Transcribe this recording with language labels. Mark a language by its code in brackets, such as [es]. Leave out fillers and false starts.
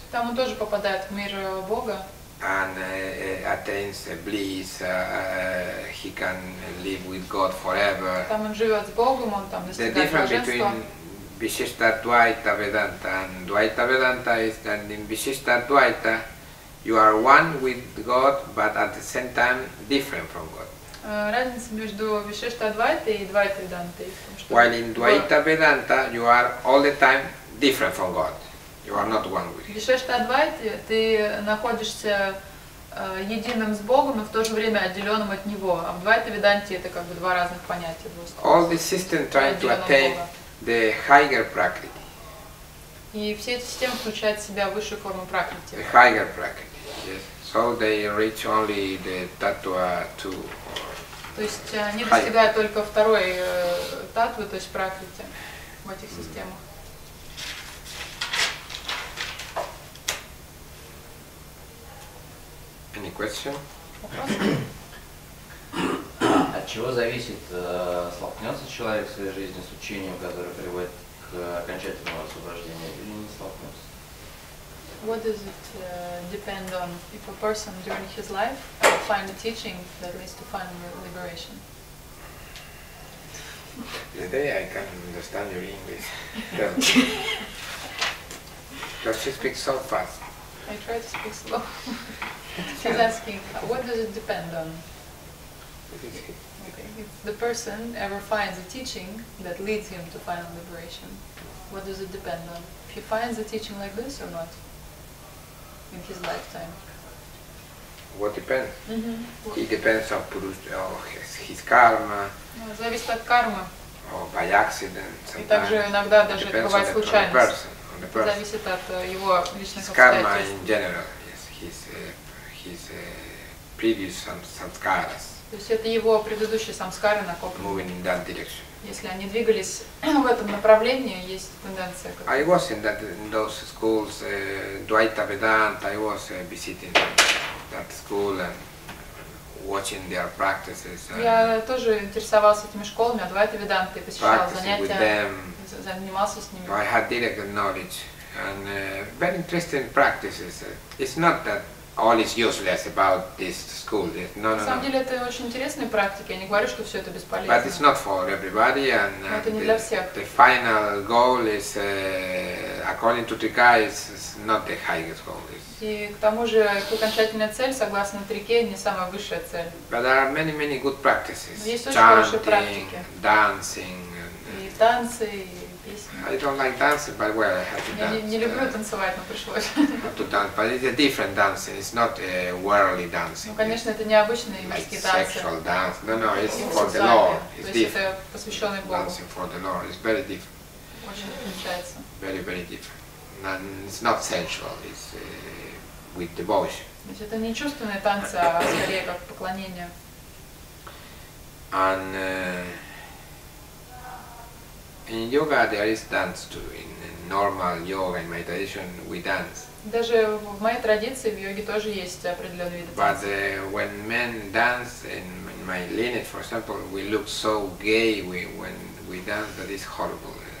[ru] Там он тоже попадает в мир Бога. [en] And attains bliss. He can live with God forever. [ru] Там он живет с Богом, он там достигает блаженства. [en] The difference between Vishishta Dvaita Vedanta and Dvaita Vedanta is that in Vishishta Dvaita you are one with God, but at the same time different from God. [ru] Разница между Вишишта Адвайта и Двайта Веданта. [en] While in Двайта Веданта you are all the time different from God. You are not one with. [ru] Вишишта Адвайта ты находишься единым с Богом, но в то же время отделенным от Него. А в Двайта Веданте это как бы два разных понятия. [en] All the system trying to attain the higher practice. [ru] И все эти системы включают в себя высшую форму практики. [en] The higher practice. Yes. So they reach only the tattva two. [ru] То есть они достигают только второй татвы, то есть пракрити в этих системах. [en] Any question? [ru] Вопрос? От чего зависит, столкнется человек в своей жизни с учением, которое приводит к окончательному освобождению, или не столкнется? [en] What does it depend on if a person during his life find a teaching that leads to final liberation? Today I can't understand your English. Does she speak so fast? I try to speak slow. She's asking, what does it depend on? Okay. If the person ever finds a teaching that leads him to final liberation, what does it depend on? If he finds a teaching like this or not? In his lifetime. What depends? Mm-hmm. It depends on Purusha, his karma. [ru] Зависит от кармы. [en] Or by accident. [ru] И также иногда даже бывает случайность. [en] On the person. [ru] Зависит от его личных обстоятельств. [en] Karma in general, yes, his previous samskaras. [ru] То есть это его предыдущие самскары накоплены. [en] Moving in that direction. [ru] Если они двигались в этом направлении, есть тенденция. Как-то. [en] I was in those schools, Dvaita Vedanta. I was visiting that school and watching their practices. [ru] Я тоже интересовался этими школами, Dvaita Vedanta, и посещал занятия, занимался с ними. [en] I had direct knowledge and very interesting practices. It's not that all is useless about this school. No. [ru] На самом деле это очень интересные практики. Я не говорю, что все это бесполезно. [en] But it's not for everybody, and [ru] это не для всех. [en] The final goal is, according to Трика, is not the highest goal. [ru] И к тому же, окончательная цель, согласно Трике, не самая высшая цель. [en] But there are many, many good practices. [ru] Есть очень хорошие практики. [en] Dancing. [ru] И танцы, и песни. [en] I don't like dancing, but well, I have to dance. [ru] Я не люблю танцевать, но пришлось. [en] To dance, but it's a different dancing. It's not a worldly dancing. [ru] Ну, конечно, это не обычные мирские танцы. [en] Like sexual dance. No, it's for the Lord. It's different. [ru] То есть это посвященный Богу. [en] Dancing for the Lord. It's very different. [ru] Очень отличается. [en] Very, very different. And it's not sensual. It's with devotion. [ru] То есть это не чувственные танцы, а скорее как поклонение. [en] And in yoga there is dance too. In normal yoga and meditation we dance. [ru] Даже в моей традиции в йоге тоже есть определенные виды танцев. [en] But when men dance in my lineage, for example, we look so gay when we dance that is horrible.